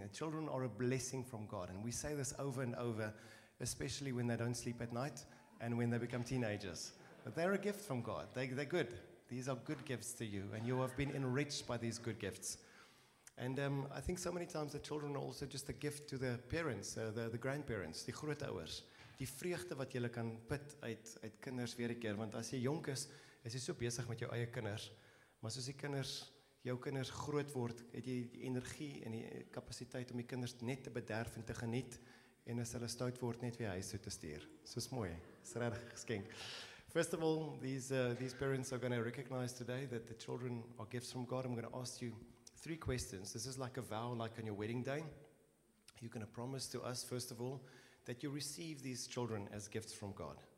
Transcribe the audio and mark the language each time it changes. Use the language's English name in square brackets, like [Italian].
[English] The children are a blessing from God. And we say this over and over, especially when they don't sleep at night and when they become teenagers. But they're a gift from God. They're good. These are good gifts to you. And you have been enriched by these good gifts. And I think so many times the children are also just a gift to the parents, the grandparents, [Afrikaans] die grootouers. Die vreugde wat jy kan put uit kinders weer 'n keer. Want as jy jonk is, is jy so besig met jou eie kinders. Maar soos die kinders, jou kinders groot word, het jy die energie en die kapasiteit om die kinders net te bederf en te geniet. En as hulle stout word, net weer huis toe te stuur. So is mooi. Is regtig geskenk. [English] First of all, these parents are going to recognize today that the children are gifts from God. I'm going to ask you 3 questions. This is like a vow, like on your wedding day. You're going to promise to us, first of all, that you receive these children as gifts from God.